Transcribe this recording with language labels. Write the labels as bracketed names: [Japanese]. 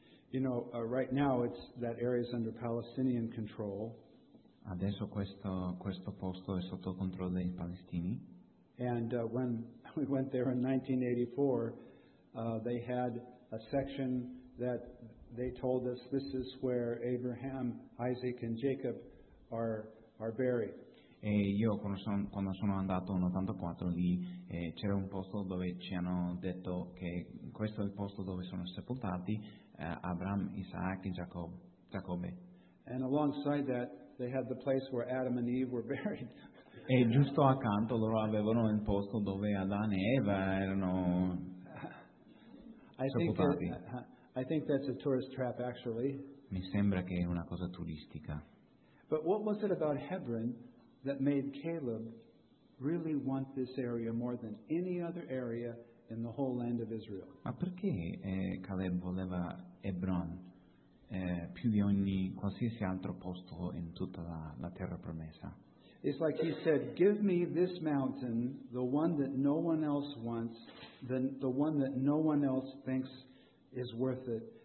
[English] You know, right now it's that area is under Palestinian control. [Italian] Adesso questo posto è sotto controllo dei palestini. [English] And when we went there in 1984, they had a section that they told us this is where Abraham, Isaac, and Jacob are buried. [Italian] E io quando sono andato in 84 lì, c'era un posto dove ci hanno detto che questo è il posto dove sono sepoltati Abraham, Isaac, e Giacobbe. [English] And alongside that, they had the place where Adam and Eve were buried. [Italian] E giusto accanto loro avevano il posto dove Adamo e Eva erano sepolti. [English] I think that's a tourist trap, actually. [Italian] Mi sembra che è una cosa turistica. [English] But what was it about Hebron that made Caleb really want this area more than any other area in the whole land of Israel? [Italian] Ma perché Caleb voleva Hebron più di ogni qualsiasi altro posto in tutta la terra promessa? [English] It's like he said, give me this mountain, the one that no one else wants, the one that no one else thinks is worth it.